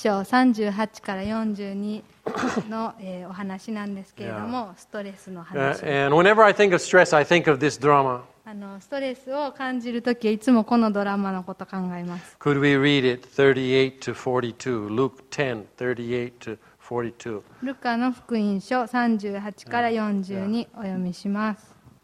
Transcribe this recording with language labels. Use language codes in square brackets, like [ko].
[ja] ルカの福音書10章38から42のお話なんですけれども、ストレスの話。 [en] And whenever I think of stress, I think of this drama. [ja] ストレスを感じるときはいつもこのドラマのことを考えます。 [en] Could we read it 38 to 42? Luke 10, 38 to 42. [ja] ルカの福音書38から40にお読みします。